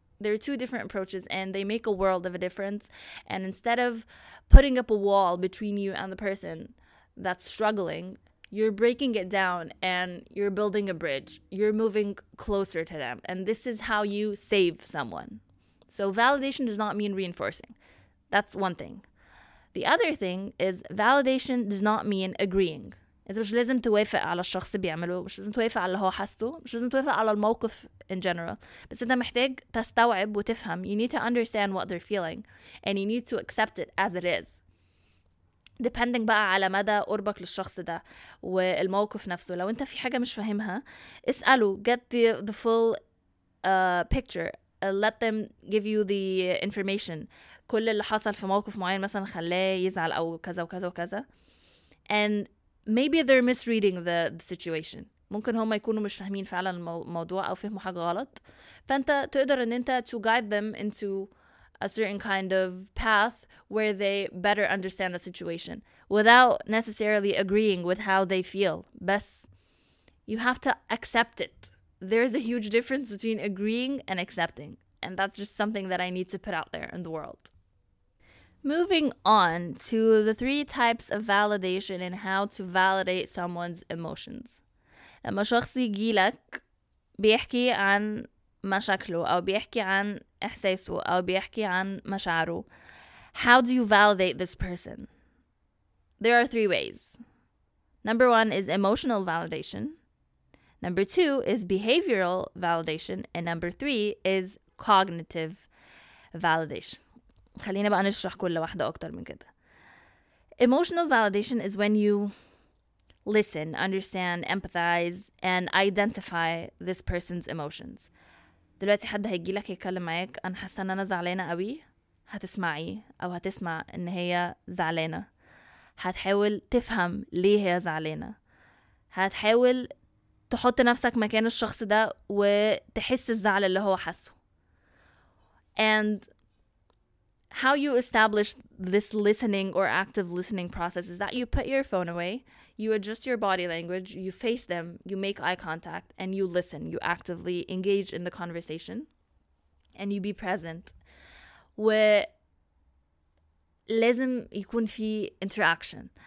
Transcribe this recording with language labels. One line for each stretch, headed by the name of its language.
English: There are two different approaches and they make a world of a difference. And instead of putting up a wall between you and the person that's struggling, you're breaking it down and you're building a bridge. You're moving closer to them. And this is how you save someone. So validation does not mean reinforcing. That's one thing. The other thing is validation does not mean agreeing.
Arabic: انت مش لازم توافق على الشخص بيعمله, مش لازم توافق على اللي هو حاسته, مش لازم توافق على الموقف
English: in general.
Arabic: بس انت محتاج تستوعب وتفهم.
English: You need to understand what they're feeling. And you need to accept it as it is.
Arabic: Depending بقى على مدى قربك للشخص ده والموقف نفسه, لو انت في حاجة مش فاهمها اسأله,
English: get the full picture, let them give you the information,
Arabic: كل اللي حصل في موقف معين مثلا خلاه يزعل او كذا وكذا وكذا,
English: and maybe they're misreading the situation.
Arabic: ممكن هم يكونوا مش فاهمين فعلا الموضوع او فهموا حاجة غلط, فانت تقدر ان انت
English: to guide them into a certain kind of path where they better understand the situation without necessarily agreeing with how they feel. But you have to accept it. There is a huge difference between agreeing and accepting. And that's just something that I need to put out there in the world. Moving on to the three types of validation and how to validate someone's emotions.
Arabic: لما شخص يجي لك بيحكي عن مشاكله أو بيحكي عن إحساسه أو بيحكي عن مشاعره,
English: how do you validate this person? There are three ways. Number one is emotional validation. Number two is behavioral validation. And number three is cognitive validation.
Arabic: خلينا بقى نشرح كل واحدة أكتر من كده.
English: Emotional validation is when you listen, understand, empathize, and identify this person's emotions.
Arabic: دلوقتي حد هيجي لك يتكلم معاك, أنا حاسة إن أنا زعلانة قوي. هتسمعي أو هتسمع إن هي زعلانة, هتحاول تفهم ليه هي زعلانة, هتحاول تحط نفسك مكان الشخص ده وتحس الزعل اللي هو حاسه.
English: And how you establish this listening or active listening process is that you put your phone away, you adjust your body language, you face them, you make eye contact, and you listen. You actively engage in the conversation and you be present.
Arabic: ولازم يكون في interaction.